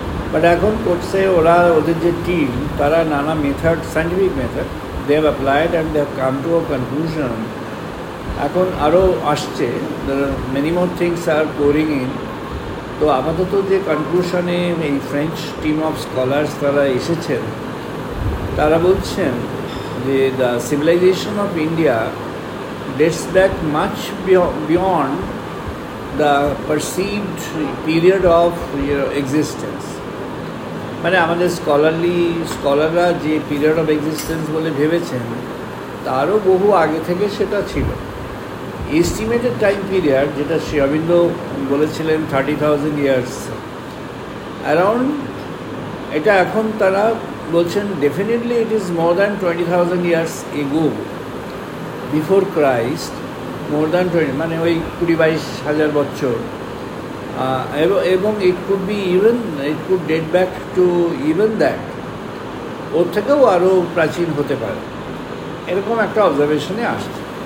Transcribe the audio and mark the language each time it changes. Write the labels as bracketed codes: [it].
[en] but [bn] এখন করছে ওরা, ওদের যে টিম, তারা নানা [en] method, scientific method they have applied and they have come to a conclusion, [bn] এখন আরও আসছে, [en] many more things are going in, [bn] তো আপাতত যে কনক্লুশনে এই [en] French team of scholars [bn] তারা এসেছেন, তারা বলছেন যে [en] The civilization of India dates back much beyond the perceived period of your existence. [bn] মানে আমাদের স্কলারলি স্কলাররা যে [en] period of existence [bn] বলে ভেবেছেন তারও বহু আগে থেকে সেটা ছিল। [en] estimated time period [bn] যেটা শ্রী অরবিন্দ বলেছিলেন [en] 30,000 years around, [bn] এটা এখন তারা বলছেন [en] definitely it is more than 20,000 years ago before Christ, more than 20 [bn] মানে ওই 22,000 বছর, এবং [en] it could be even it could date back to even that, [bn] ওর থেকেও আরও প্রাচীন হতে পারে, এরকম একটা অবজারভেশনে আসছে।